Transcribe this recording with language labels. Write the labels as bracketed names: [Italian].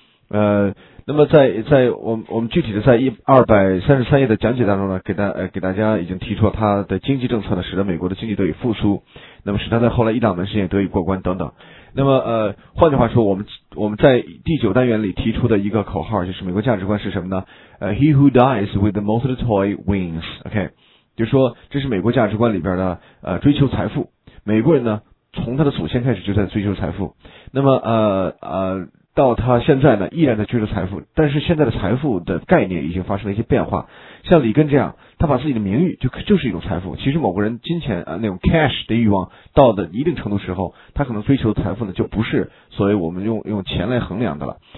[Chinese] 那么在我们具体的在233页的讲解当中呢，给大家已经提出了他的经济政策呢，使得美国的经济得以复苏，那么使他在后来伊朗门事件得以过关等等。那么换句话说，我们在第九单元里提出的一个口号就是美国价值观是什么呢？ [English] He who dies with the most toy wins. [Chinese] OK， 就说这是美国价值观里边的追求财富。美国人呢，从他的祖先开始就在追求财富。那么到他现在呢，依然在追求财富，但是现在的财富的概念已经发生了一些变化。像里根这样，他把自己的名誉就是一种财富。其实某个人金钱那种 cash 的欲望到了一定程度时候，他可能追求的财富呢，就不是所谓我们用钱来衡量的了。